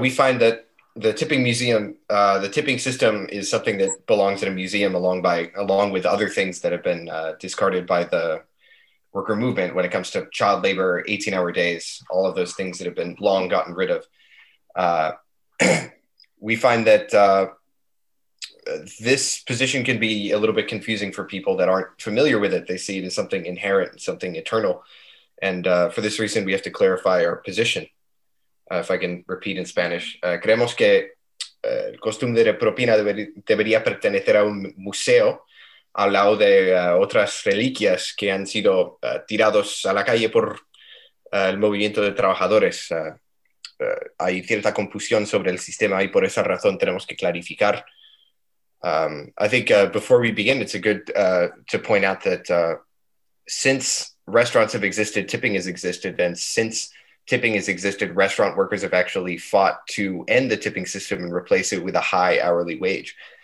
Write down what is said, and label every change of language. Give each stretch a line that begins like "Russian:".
English: We find that the tipping museum, the tipping system is something that belongs in a museum along with other things that have been discarded by the worker movement when it comes to child labor, 18-hour days, all of those things that have been long gotten rid of. We find that this position can be a little bit confusing for people that aren't familiar with it. They see it as something inherent, something eternal. And for this reason, we have to clarify our position. If I can repeat in Spanish.
Spanish: Creemos que el costumbre de propina debería pertenecer a un museo al lado de otras reliquias que han sido tirados a la calle por el movimiento de trabajadores. Hay cierta confusión sobre el sistema y por esa razón tenemos que clarificar.
English: I think before we begin, it's a good to point out that since restaurants have existed, tipping has existed, and since tipping has existed, restaurant workers have actually fought to end the tipping system and replace it with a high hourly wage.